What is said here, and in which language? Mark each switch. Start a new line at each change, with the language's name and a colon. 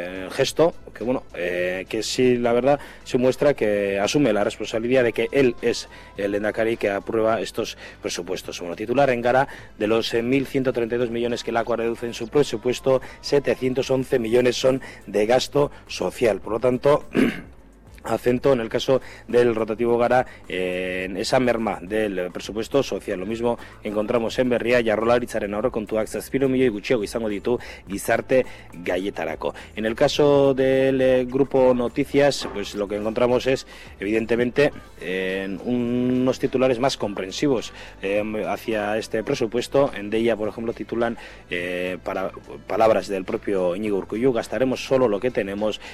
Spanish: Gesto que, bueno, que sí, la verdad, se muestra que asume la responsabilidad de que él es el Lehendakari que aprueba estos presupuestos. Bueno, titular en Gara: de los 1.132 millones que el ACUA reduce en su presupuesto, 711 millones son de gasto social. Por lo tanto, acento en el caso del rotativo Gara en esa merma del presupuesto social. Lo mismo encontramos en
Basque: Berria: Jaurlaritzaren aurrekontuak 7 milioi gutxiago izango ditu gizarte gaietarako.
Spanish: En el caso del grupo Noticias, pues lo que encontramos es evidentemente unos titulares más comprensivos hacia este presupuesto. En Deia, por ejemplo, titulan para palabras del propio Íñigo Urkullu: gastaremos solo lo que tenemos.